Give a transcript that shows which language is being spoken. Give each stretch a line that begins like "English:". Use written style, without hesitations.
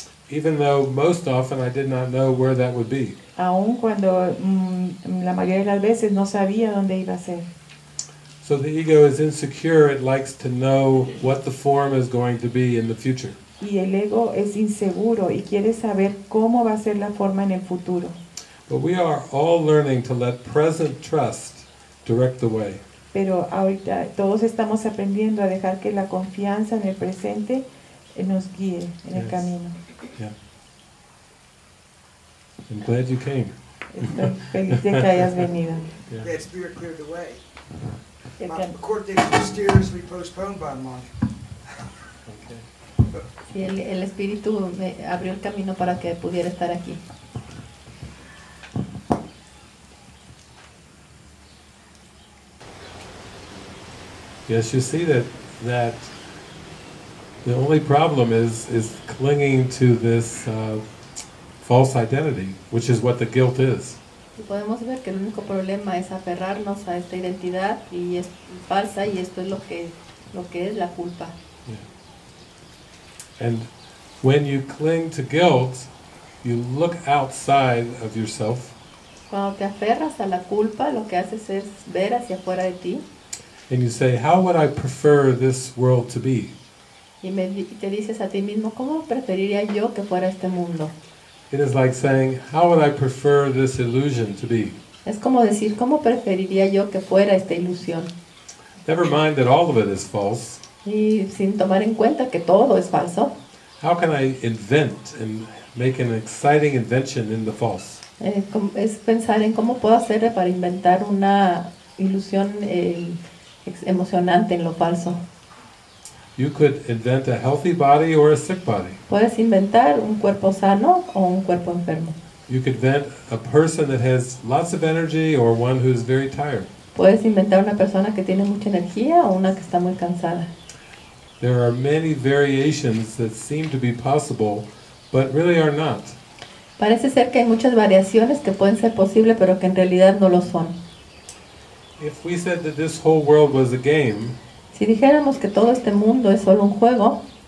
English: Even though most often I did not know where that would be.
Spanish: Aun cuando la mayoría de las veces no sabía dónde iba a ser.
English: So the ego is insecure, it likes to know what the form is going to be in the future.
Spanish: Y el ego es inseguro y quiere saber cómo va a ser la forma en el futuro.
English: But we are all learning to let present trust direct the way.
Spanish: Pero ahorita todos estamos aprendiendo a dejar que la confianza en el presente nos guíe en el camino.
English: Yeah. I'm glad you came.
Spanish: Estoy feliz de que hayas venido.
English: That spirit cleared the way. My court date mysteriously postponed by a month. Okay.
Spanish: Sí, el espíritu me abrió el camino para que pudiera estar aquí.
English: Yes, you see that the only problem is clinging to this false identity, which is what the guilt is.
Spanish: Y podemos ver que el único problema es aferrarnos a esta identidad y es falsa y esto es lo que es la culpa.
English: Yeah. And when you cling to guilt, you look outside of yourself.
Spanish: Cuando te aferras a la culpa, lo que haces es ver hacia afuera de ti.
English: And you say, how would I prefer this world to be?
Spanish: Y te dices a ti mismo, ¿cómo preferiría yo que fuera este mundo?
English: It is like saying, how would I prefer this illusion to be?
Spanish: Es como decir, ¿cómo preferiría yo que fuera esta ilusión?
English: Never mind that all of it is false.
Spanish: Y sin tomar en cuenta que todo es falso.
English: How can I invent and make an exciting invention in the false?
Spanish: Es pensar en cómo puedo hacer para inventar una ilusión emocionante en lo falso.
English: You could invent a healthy body or a sick body.
Spanish: Puedes inventar un cuerpo sano o un cuerpo enfermo.
English: You could invent a person that has lots of energy or one who is very tired.
Spanish: Puedes inventar una persona que tiene mucha energía o una que está muy cansada.
English: There are many variations that seem to be possible, but really are not.
Spanish: Parece ser que hay muchas variaciones que pueden ser posibles, pero que en realidad no lo son.
English: If we said that this whole world was a game,
Spanish: si dijéramos que todo este mundo es solo un juego,